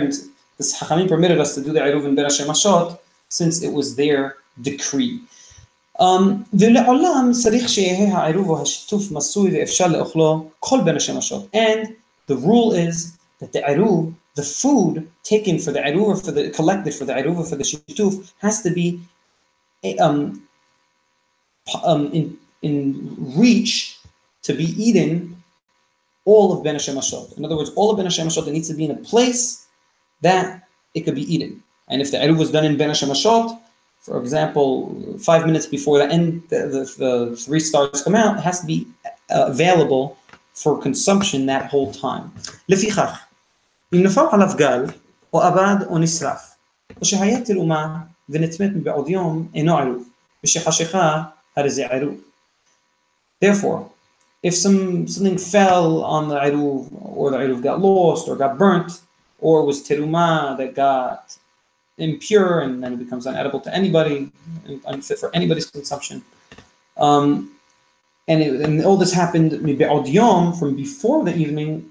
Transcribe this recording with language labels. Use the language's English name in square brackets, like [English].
[English] And this Hachamim permitted us to do the Eruv in Ben HaShemashot, since it was their decree. [Hebrew] ולעולם צריך שיהיה העירוב או השיתוף מסוי ואפשר לאוכלו כל בין השמשות. [English] And the rule is that the Eruv, the food taken for the Eruv or collected for the Eruv or for the Shituf, has to be in reach to be eaten all of Ben HaShemashot. In other words, all of Ben HaShemashot, it needs to be in a place that it could be eaten. And if the Eruv was done in Ben HaShemashot, for example, 5 minutes before the end, the three stars come out, it has to be available for consumption that whole time. [Hebrew] לפיכך, אם נפל עליו גל, או אבד, או נשרף, או שהיה תלומה ונתמת מבעוד יום, אינו עירוב, ושחשיכה הרי זה עירוב. [English] Therefore, if something fell on the Eruv, or the Eruv got lost, or got burnt, or was teruma that got impure, and then it becomes unedible to anybody, unfit for anybody's consumption, And all this happened maybe [Hebrew] od yom [English] from before the evening.